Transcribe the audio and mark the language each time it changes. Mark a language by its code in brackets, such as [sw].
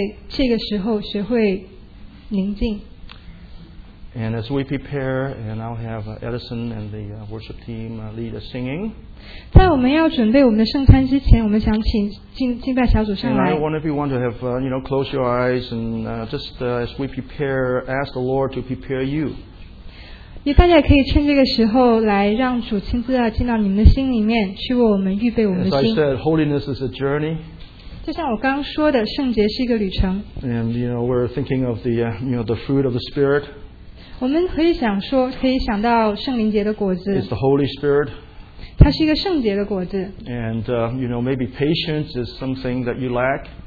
[zh] 谢谢我们每一个人都可以在这个时候学会宁静。 [en] And as we prepare, and I'll have Edison and the worship team lead us singing. [zh] 在我们要准备我们的圣餐之前，我们想请敬拜小组上来。 [en] And I want everyone to have, you know, close your eyes and just as we prepare, ask the Lord to prepare you. [zh] 大家也可以趁这个时候来让主亲自进到你们的心里面，去为我们预备我们的心。 [en] As I said, holiness is a journey. [zh] 就像我刚说的，圣洁是一个旅程。 [en] And you know, we're thinking of the you know, the fruit of the Spirit. [zh] 我们可以想说，可以想到圣灵节的果子。 [en] It's the Holy Spirit. [zh] 它是一个圣洁的果子。 [en] And you know, maybe patience is something that you lack.